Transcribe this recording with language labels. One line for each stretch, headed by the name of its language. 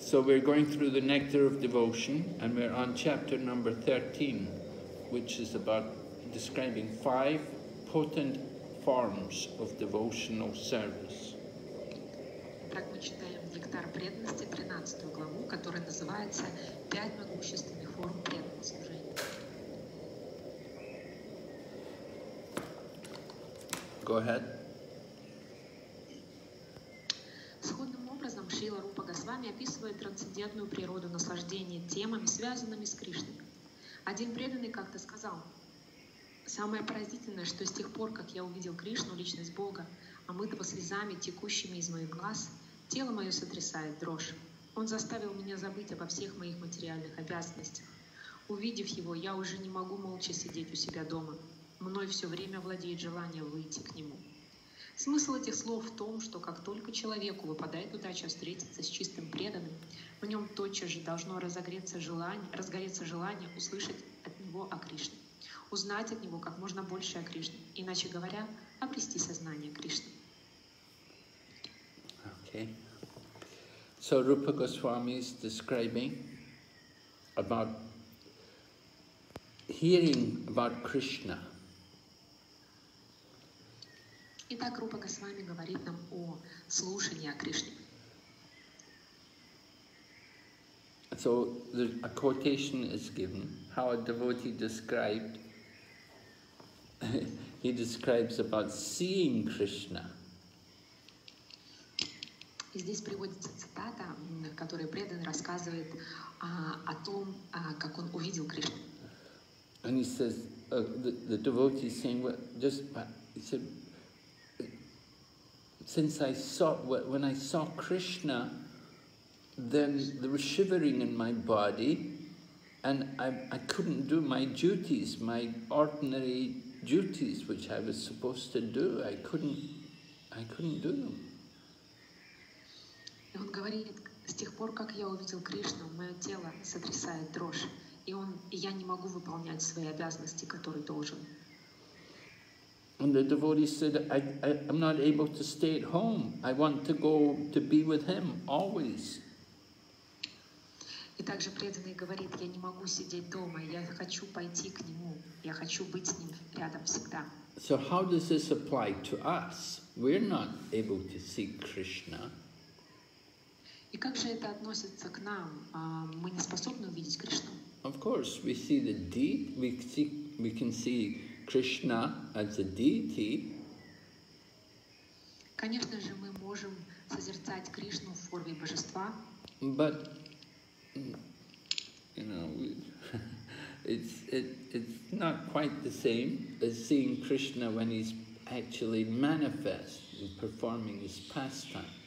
English: So we're going through the Nectar of Devotion, and we're on chapter number 13, which is about describing five potent forms of devotional service.
Russian: Нектар преданности, 13 главу, которая называется «Пять могущественных форм преданного служения».
English: Go ahead.
Russian: Сходным образом Шрила Рупа Госвами описывает трансцендентную природу наслаждения темами, связанными с Кришной. Один преданный как-то сказал: «Самое поразительное, что с тех пор, как я увидел Кришну, Личность Бога, омытого слезами, текущими из моих глаз, тело мое сотрясает дрожь. Он заставил меня забыть обо всех моих материальных обязанностях. Увидев его, я уже не могу молча сидеть у себя дома. Мной все время владеет желание выйти к нему». Смысл этих слов в том, что как только человеку выпадает удача встретиться с чистым преданным, в нем тотчас же должно разгореться желание услышать от него о Кришне, узнать от него как можно больше о Кришне, иначе говоря, обрести сознание Кришны.
English: Okay. So Rupa Goswami is describing about hearing about Krishna.
Russian: Итак, Рупа Госвами говорит нам о слушании о Кришне.
English: So a quotation is given how a devotee described he describes about seeing Krishna.
Russian: И здесь приводится цитата, в которой преданный рассказывает о том, как он увидел Кришну.
English: And he says, the devotee is saying, when I saw Krishna, then there was shivering in my body, and I couldn't do my duties, my ordinary duties, which I was supposed to do. I couldn't do them.
Russian: И он говорит: с тех пор, как я увидел Кришну, мое тело сотрясает дрожь, и я не могу выполнять свои обязанности, которые должен.
English: And the devotee said, I'm not able to stay at home. I want to go to be with him always.
Russian: И также преданный говорит: я не могу сидеть дома, я хочу пойти к нему, я хочу быть с ним рядом всегда.
English: So how does this apply to us? We're not able to see Krishna.
Russian: И как же это относится к нам? Мы не способны увидеть Кришну?
English: Of course, we see the deity. We can see Krishna as a deity.
Russian: Конечно же, мы можем созерцать Кришну в форме божества.
English: But you know, it's not quite the same as seeing Krishna when he's actually manifest and performing his pastime.